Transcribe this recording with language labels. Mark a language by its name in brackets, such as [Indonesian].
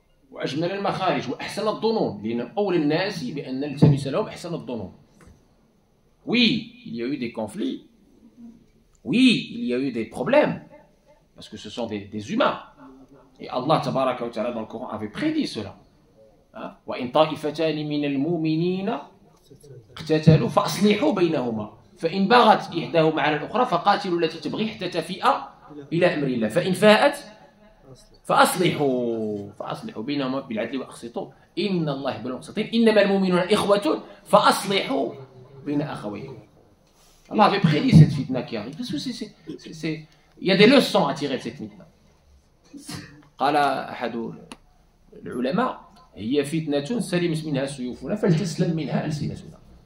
[Arabic] وأجمل المخارج وأحسن الظنون لنقول الناس بأن نلتمس لهم أحسن الظنون. [French] Oui, il y a eu des conflits. Oui, il y a eu des problèmes. Parce que ce sont des humains. Et Allah tabaraka wa ta'ala dans le Coran avait prédit cela. [Arabic] وَإِنْ طَائِفَتَانِ مِنَ الْمُؤْمِنِينَ اقْتَتَلُوا فَأَصْلِحُوا بَيْنَهُمَا فَإِنْ بَغَتْ إِحْدَاهُمَا عَلَى الْأُخْرَى فَقَاتِلُوا الَّتِي تَبْغِي حَتَّى تَفِيءَ إِلَى أَمْرِ اللَّهِ فَإِنْ فَاءَتْ فأصلحوا بينهم بالعدل وأقسطوا إن الله يحب المقسطين إنما المؤمنون إخوة فأصلحوا بين أخويكم. [French] الله avait prédit cette fitna qui arrive parce que c'est il y a des leçons à tirer de cette fitna. [Arabic] قال أحد العلماء هي فتنة سليم منها سيوفنا فلتسلم منها ألسنتنا.